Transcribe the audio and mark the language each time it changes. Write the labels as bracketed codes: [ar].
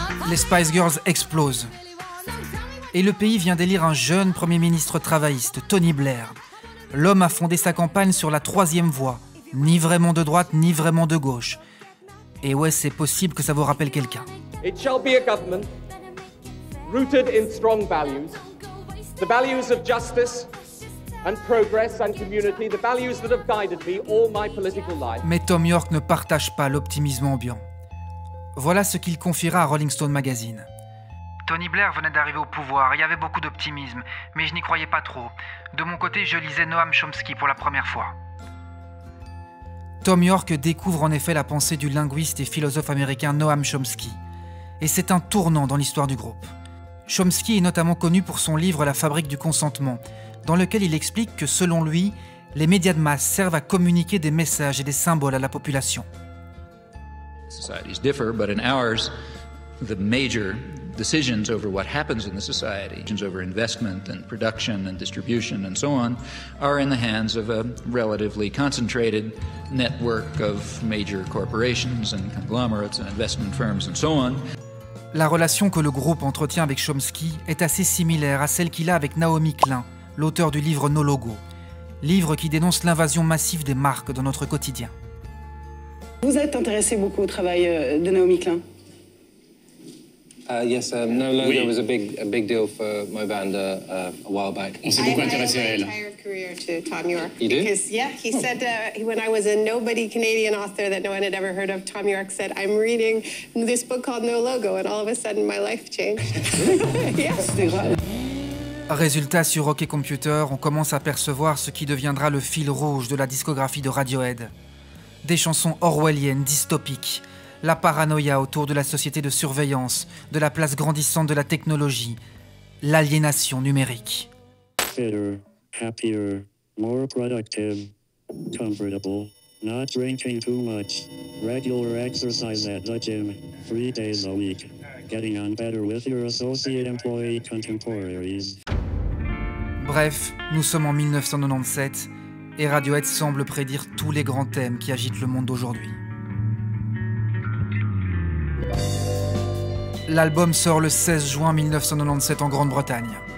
[fr] Les Spice Girls explosent. Et le pays vient d'élire un jeune Premier ministre travailliste, Tony Blair. L'homme a fondé sa campagne sur la troisième voie, ni vraiment de droite, ni vraiment de gauche. Et ouais, c'est possible que ça vous rappelle quelqu'un. [en] It shall be a government rooted in strong values. The values of justice and progress and community, the values that have guided me all my political life. [fr] Mais Thom Yorke ne partage pas l'optimisme ambiant. Voilà ce qu'il confiera à Rolling Stone Magazine. Tony Blair venait d'arriver au pouvoir, il y avait beaucoup d'optimisme, mais je n'y croyais pas trop. De mon côté, je lisais Noam Chomsky pour la première fois. Thom Yorke découvre en effet la pensée du linguiste et philosophe américain Noam Chomsky. Et c'est un tournant dans l'histoire du groupe. Chomsky est notamment connu pour son livre « La fabrique du consentement », dans lequel il explique que, selon lui, les médias de masse servent à communiquer des messages et des symboles à la population. [en] Societies differ, but in ours, the major decisions over what happens in the society, decisions over investment and production and distribution and so on, are in the hands of a relatively concentrated network of major corporations and conglomerates and investment firms and so on. [fr] La relation que le groupe entretient avec Chomsky est assez similaire à celle qu'il a avec Naomi Klein, l'auteur du livre No Logo, livre qui dénonce l'invasion massive des marques dans notre quotidien. Vous êtes intéressé beaucoup au travail de Naomi Klein? [en] Yes, No Logo was a big deal for my band a while back. [fr] On s'est beaucoup intéressé à elle. [en] Career to Thom Yorke. You do? Because, yeah, he said when I was a nobody Canadian author that no one had ever heard of, Thom Yorke said, I'm reading this book called No Logo, and all of a sudden my life changed. Yes. [fr] Résultat, sur OK Computer, on commence à percevoir ce qui deviendra le fil rouge de la discographie de Radiohead. Des chansons orwelliennes, dystopiques, la paranoïa autour de la société de surveillance, de la place grandissante de la technologie, l'aliénation numérique. [en] Better, happier, more productive, comfortable, not drinking too much, regular exercise at the gym, 3 days a week, getting on better with your associate employee contemporaries. [fr] Bref, nous sommes en 1997 et Radiohead semble prédire tous les grands thèmes qui agitent le monde d'aujourd'hui. L'album sort le 16 juin 1997 en Grande-Bretagne.